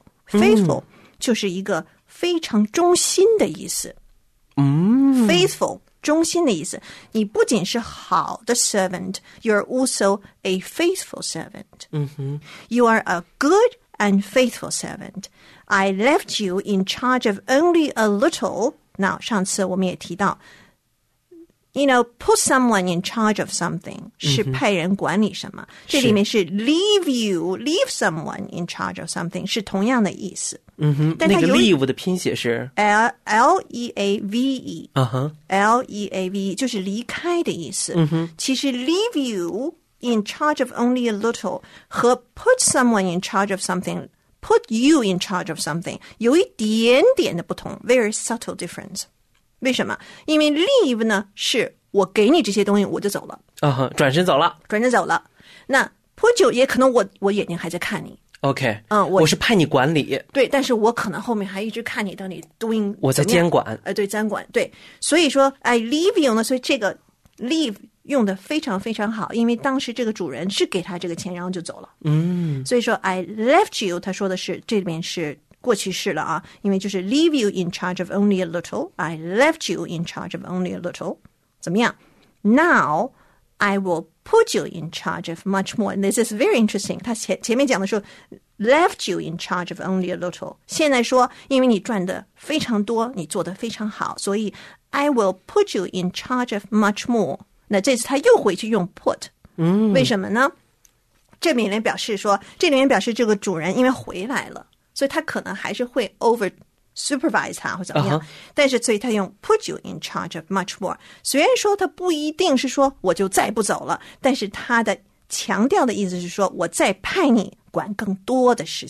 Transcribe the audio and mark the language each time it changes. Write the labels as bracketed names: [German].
[Chinese] Faithful、嗯、就是一个非常忠心的意思。 Faithful, 忠心的意思。你不仅是好的 [English] servant, you're also a faithful servant.、嗯、哼 you are a good and faithful servant. I left you in charge of only a little... Now, [Chinese] 上次我们也提到 [English] you know, put someone in charge of something、mm-hmm. [Chinese] 是派人管理什么，这里面是 [English] leave someone in charge of something [Chinese] 是同样的意思、 mm-hmm. 但它有那个 leave 的拼写是 [English] L-E-A-V-E、 uh-huh. [Chinese] L-E-A-V-E 就是离开的意思、 mm-hmm. 其实 [English] leave you in charge of only a little [Chinese] 和 [English] put someone in charge of somethingPut you in charge of something [Chinese] 有一点点的不同 [English] very subtle difference [Chinese] 为什么因为 leave 呢是我给你这些东西我就走了、 uh-huh, 转身走了那 put you 也可能我眼睛还在看你 [English] OK、 [Chinese] 我是派你管理对但是我可能后面还一直看你到你 doing 我在监管、对监管对所以说 [English] I leave you [Chinese] 呢所以这个 leave用的非常非常好因为当时这个主人是给他这个钱然后就走了、嗯、所以说 [English] I left you 他说的是这里面是过去式了啊，因为就是 leave you in charge of only a little [Chinese] I left you in charge of only a little 怎么样 [English] Now I will put you in charge of much more And this is very interesting [Chinese] 他 前面讲的说 left you in charge of only a little 现在说因为你赚的非常多你做的非常好所以 I will put you in charge of much more那这次他又回去用 put、嗯、为什么呢这里面表示这个主人因为回来了所以他可能还是会 [English] over supervise [Chinese] 他或怎么样、uh-huh. 但是所以他用 [English] put you in charge of much more [Chinese] 虽然说他不一定是说我就再不走了但是他的强调的意思是说我再派你管更多的事情